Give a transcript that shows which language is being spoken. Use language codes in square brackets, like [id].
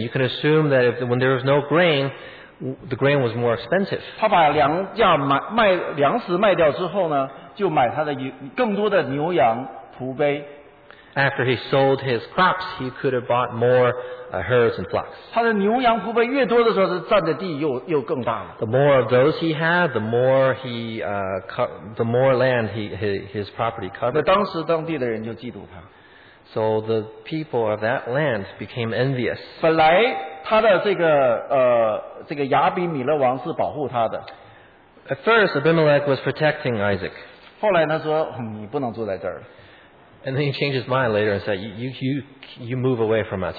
[en] You can assume that if, when there was no grain, the grain was more expensive. [zh] 他把粮价卖粮食卖掉之后呢，就买他的更多的牛羊仆碑。 [en] After he sold his crops, he could have bought more herds and flocks. [zh] 他的牛羊仆碑越多的时候，他占的地又更大了。 [en] The more of those he had, the more he the more land his property covered. [zh] 那当时当地的人就嫉妒他。 [en] So the people of that land became envious. [zh] 本来他的这个亚比米勒王是保护他的。 [en] At first, Abimelech was protecting Isaac. [zh] 后来他说，你不能住在这儿。 [en] And then he changed his mind later and said, you move away from us.